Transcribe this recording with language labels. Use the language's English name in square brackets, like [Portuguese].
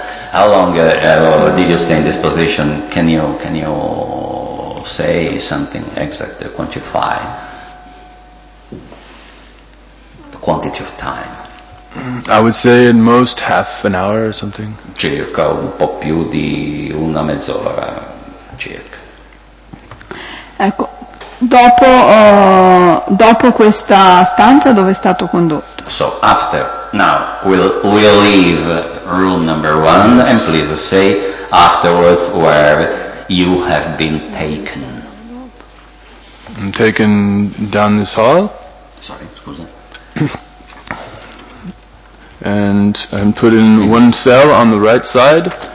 [English] How long did you stay in this position? Can you say something exact, quantify the quantity of time? I would say at most half an hour or something. [Italian] Circa un po' più di una mezz'ora circa. Ecco, dopo questa stanza dove è stato condotto? [English] So after. Now we'll leave room number one, yes. And please say afterwards where you have been taken. I'm taken down this hall. Sorry, scusa. And I'm put in one cell on the right side.